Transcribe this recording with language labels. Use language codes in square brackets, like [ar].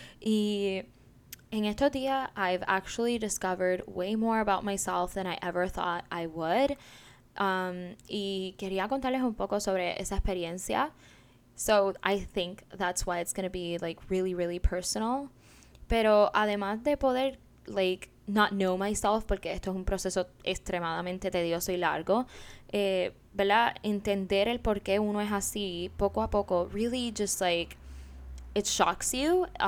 [es] Y en estos días, [en] I've actually discovered way more about myself than I ever thought I would. [es] Y quería contarles un poco sobre esa experiencia. [en] So I think that's why it's going to be like really, really personal. [es] Pero además de poder [en] like not know myself, [es] porque esto es un proceso extremadamente tedioso y largo, ¿verdad? Entender el por qué uno es así poco a poco, [en] really just like it shocks you.